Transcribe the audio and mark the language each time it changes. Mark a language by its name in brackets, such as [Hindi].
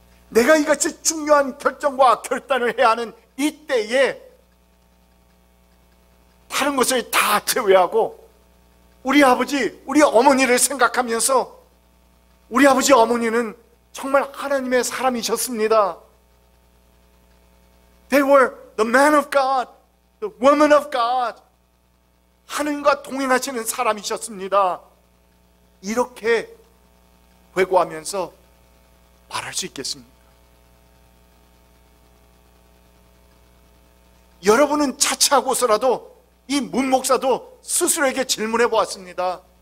[Korean] 내가 이같이 중요한 결정과 결단을 해야 하는 이때에 다른 것을 다 제외하고 우리 아버지, 우리 어머니를 생각하면서 우리 아버지, 어머니는 정말 하나님의 사람이셨습니다. [English] They were the man of God, the woman of God. [Korean] 하나님과 동행하시는 사람이셨습니다. 이렇게 회고하면서 말할 수 있겠습니까? 여러분은 자처하고서라도 이 문 목사도 스스로에게 질문해 보았습니다.